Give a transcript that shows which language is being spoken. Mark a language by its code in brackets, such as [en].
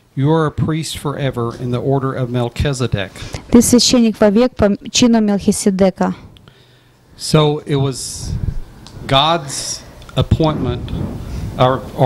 [en] You are a priest forever in the order of Melchizedek. [ru] Ты священник вовек по чину Мелхиседека. [en] So it was God's appointment, or